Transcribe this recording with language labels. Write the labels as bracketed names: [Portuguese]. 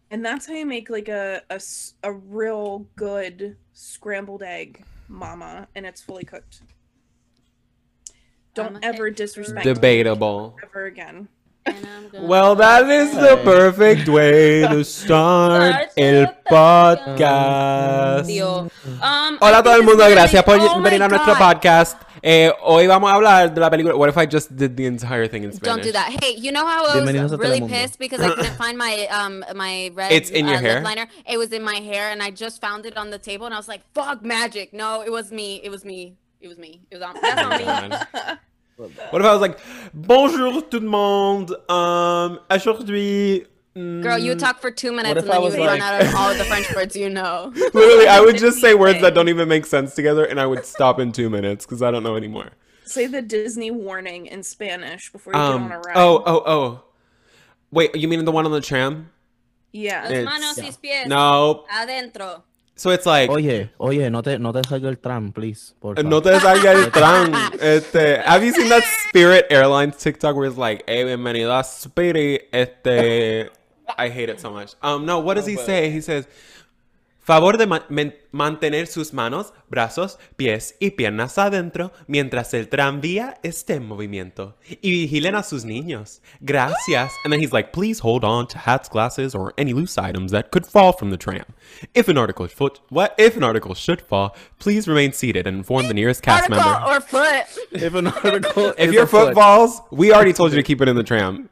[English] And that's how you make like a real good scrambled egg, Mama, and it's fully cooked. Don't ever disrespect debatable ever again. Well, that is the perfect way to start [Spanish] el podcast. Hola a todo el mundo, gracias por venir a nuestro podcast. Hoy vamos a hablar de la película. [English] What if I just did the entire thing in Spanish? Don't do that. Hey, you know how I was really pissed because I couldn't find my red it's in your hair lip liner? It was in my hair and I just found it on the table and I was like, fuck, magic. No, it was me. It was on me. What if I was like, [French] bonjour tout le monde, aujourd'hui... [English] Girl, you talk for 2 minutes and then you run out of all of the French words you know. Literally, I would just say words that don't even make sense together and I would stop in 2 minutes because I don't know anymore. Say the Disney warning in Spanish before you get on a ride. Oh. Wait, you mean the one on the tram? Yeah. [Spanish] Los manos y pies. [English] No. [Spanish] Adentro. [English] So it's like, [Spanish] oye, no te salga el tram, please. No te salga el tram. [English] Have you seen that Spirit Airlines TikTok where it's like, hey, [Spanish] bienvenido a Spirit. [English] I hate it so much. No, what does he say? He says, [Spanish] Favor de mantener sus manos, brazos, pies y piernas adentro mientras el tranvía esté en movimiento. Y vigilen a sus niños. Gracias. [English] And then he's like, please hold on to hats, glasses, or any loose items that could fall from the tram. If an article foot, what? If an article should fall, please remain seated and inform the nearest cast article member. Article or foot. If an article if your foot falls, we already told you to keep it in the tram.